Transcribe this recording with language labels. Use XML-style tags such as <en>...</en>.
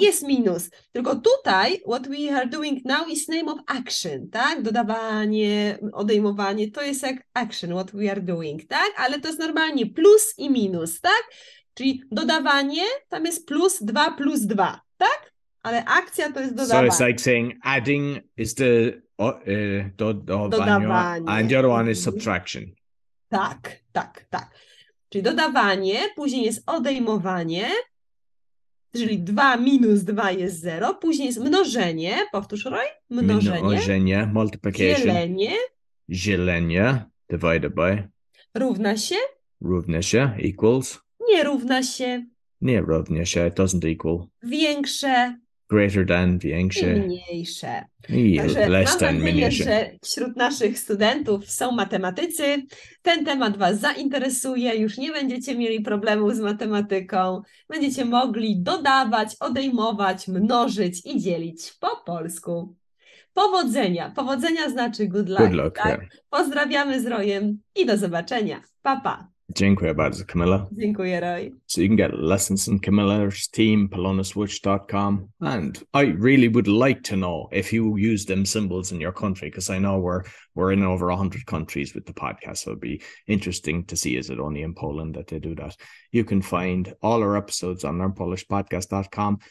<pl>Jest minus. Tylko tutaj</pl> <en>what we are doing now is name of action,</en> <pl>tak? Dodawanie, odejmowanie, to jest jak action,</pl> <en>what we are doing,</en> <pl>tak? Ale to jest normalnie plus i minus, tak? Czyli dodawanie, tam jest plus 2 plus 2, tak? Ale akcja to jest dodawanie.</pl> <en>So it's like saying adding is the dodawanie,</en> <pl>dodawanie.</pl> <en>And the other one is subtraction.</en> <pl>Tak, tak, tak. Czyli dodawanie, później jest odejmowanie, czyli 2 minus 2 jest 0, później jest mnożenie, powtórz Roy, mnożenie. Mnożenie, multiplication. Dzielenie.</pl> <en>Dzielenie, divided by.</en> <pl>Równa się. Równa się, equals. Nie równa się. Nie równa się,</pl> <en>it doesn't equal.</en> <pl>Większe.</pl> <en>Greater than, większe.</en> <pl>Mniejsze. Także less mam</pl> <en>than,</en> <pl>nadzieję, mniejsze. Że wśród naszych studentów są matematycy. Ten temat Was zainteresuje. Już nie będziecie mieli problemów z matematyką. Będziecie mogli dodawać, odejmować, mnożyć i dzielić po polsku. Powodzenia. Powodzenia znaczy</pl> <en>good luck. Good luck,</en> <pl>tak?</pl> <en>Yeah.</en> <pl>Pozdrawiamy z Rojem i do zobaczenia. Pa, pa. Dziękuję bardzo, Kamila. Dziękuję, Roy.</pl> <en>So you can get lessons from Kamila's team, polonaswitch.com. And I really would like to know if you use them symbols in your country, because I know we're in over 100 countries with the podcast. So it'd be interesting to see, is it only in Poland that they do that? You can find all our episodes on learnpolishpodcast.com.</en>